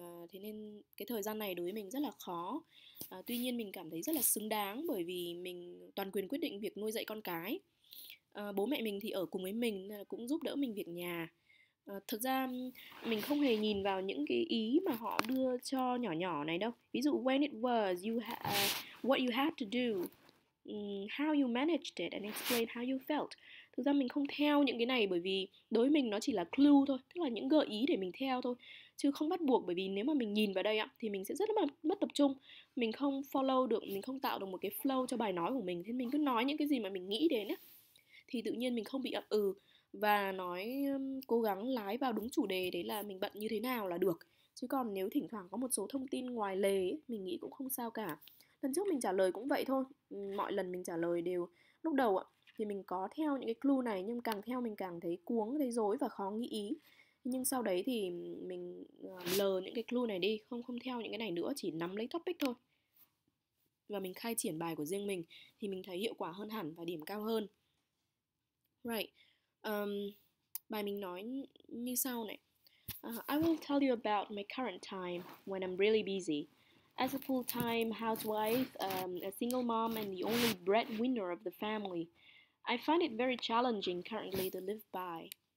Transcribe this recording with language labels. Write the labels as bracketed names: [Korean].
[Vietnamese] Thế nên cái thời gian này đối với mình rất là khó. Tuy nhiên mình cảm thấy rất là xứng đáng, bởi vì mình toàn quyền quyết định việc nuôi dạy con cái. Bố mẹ mình thì ở cùng với mình, cũng giúp đỡ mình việc nhà. Thực ra mình không hề nhìn vào những cái ý mà họ đưa cho nhỏ nhỏ này đâu. Ví dụ [English] when it was, what you had to do, how you managed it and explain how you felt. [Vietnamese] Thực ra mình không theo những cái này, bởi vì đối với mình nó chỉ là clue thôi, tức là những gợi ý để mình theo thôi, chứ không bắt buộc. Bởi vì nếu mà mình nhìn vào đây ạ, thì mình sẽ rất là mất tập trung, mình không follow được, mình không tạo được một cái flow cho bài nói của mình. Thế mình cứ nói những cái gì mà mình nghĩ đến ấy, thì tự nhiên mình không bị ậm ừ, và nói cố gắng lái vào đúng chủ đề, đấy là mình bận như thế nào là được. Chứ còn nếu thỉnh thoảng có một số thông tin ngoài lề ấy, mình nghĩ cũng không sao cả. Lần trước mình trả lời cũng vậy thôi. Mọi lần mình trả lời đều lúc đầu ạ, thì mình có theo những cái clue này, nhưng càng theo mình càng thấy cuống, thấy rối và khó nghĩ ý. Nhưng sau đấy thì mình lờ những cái clue này đi, không theo những cái này nữa, chỉ nắm lấy topic thôi. Và mình khai triển bài của riêng mình thì mình thấy hiệu quả hơn hẳn và điểm cao hơn. [English] Right. [Vietnamese] Bài mình nói như sau này. [English] I will tell you about my current time when I'm really busy. As a full-time housewife, a single mom and the only breadwinner of the family, I find it very challenging currently to live by.